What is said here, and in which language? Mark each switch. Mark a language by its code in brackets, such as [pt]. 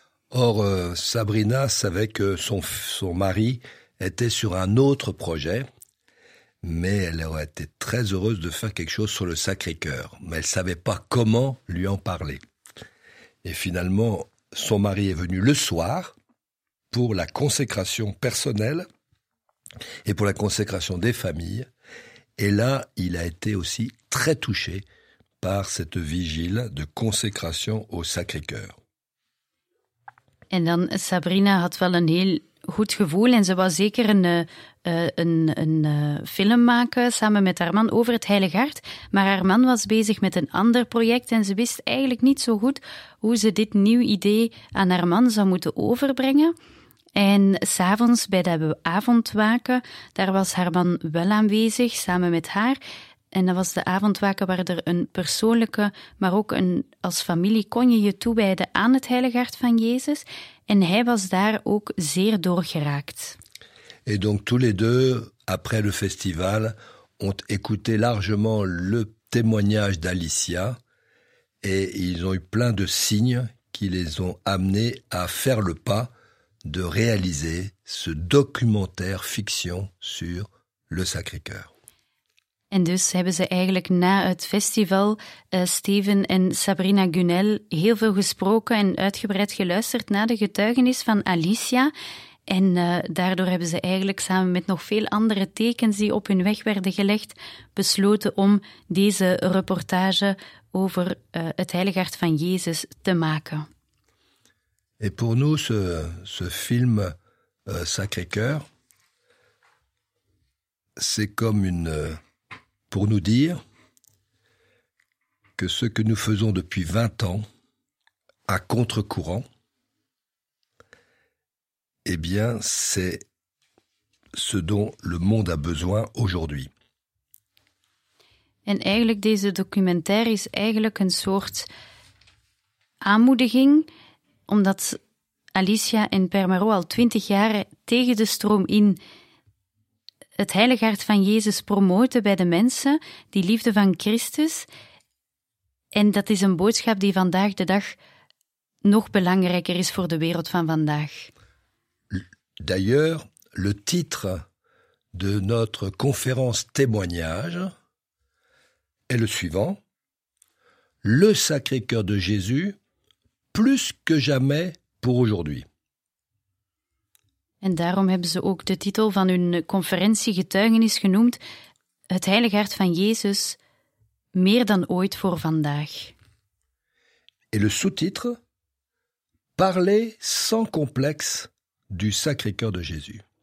[fr] Or, Sabrina savait que son mari était sur un autre projet, mais elle aurait été très heureuse de faire quelque chose sur le Sacré-Cœur, mais elle ne savait pas comment lui en parler. Et finalement, son mari est venu le soir pour la consécration personnelle et pour la consécration des familles, et là, il a été aussi très touché par cette vigile de consécration au Sacré-Cœur. [nl] En dan, Sabrina had wel een heel goed gevoel en ze wou zeker een film maken samen met haar man over het Heilig Hart. Maar haar man was bezig met een ander project en ze wist eigenlijk niet zo goed hoe ze dit nieuw idee aan haar man zou moeten overbrengen. En 's avonds bij de avondwaken, daar was haar man wel aanwezig samen met haar. En dat was de avondwaken waar er een persoonlijke, maar ook een, als familie kon je je toewijden aan het Heilige Hart van Jezus. En hij was daar ook zeer doorgeraakt. [fr] Et donc tous les deux, après le festival, ont écouté largement le témoignage d'Alicia. Et ils ont eu plein de signes qui les ont amenés à faire le pas de réaliser ce documentaire fiction sur le Sacré-Cœur. [nl] En dus hebben ze eigenlijk na het festival, Steven en Sabrina Gunnell, heel veel gesproken en uitgebreid geluisterd naar de getuigenis van Alicia. En daardoor hebben ze eigenlijk samen met nog veel andere tekens die op hun weg werden gelegd, besloten om deze reportage over het Heilig Hart van Jezus te maken. En voor ons, [fr] ce film Sacré-Cœur, c'est comme une... pour nous dire que ce que nous faisons depuis 20 ans à contre-courant, eh bien, c'est ce dont le monde a besoin aujourd'hui. [nl] En eigenlijk, deze documentaire is eigenlijk een soort aanmoediging, omdat Alicia en Permaro al 20 jaar tegen de stroom in het heilig hart van Jezus promoten bij de mensen, die liefde van Christus. En dat is een boodschap die vandaag de dag nog belangrijker is voor de wereld van vandaag. [fr] D'ailleurs, le titre de notre conférence témoignage est le suivant. Le Sacré-Cœur de Jésus, plus que jamais pour aujourd'hui. [nl] En daarom hebben ze ook de titel van hun conferentie getuigenis genoemd Het Heilig Hart van Jezus, meer dan ooit voor vandaag. [fr] Et le sous-titre, Parler sans complexe du Sacré-Cœur de Jésus.